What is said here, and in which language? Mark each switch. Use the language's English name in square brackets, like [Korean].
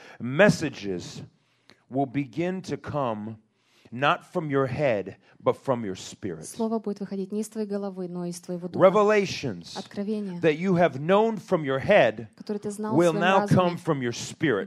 [English] Messages will begin to come not from your head, but from your spirit. [Russian] Слово будет выходить не из твоей головы, но из твоего духа. [English] Revelations that you have known from your head will now come from your spirit.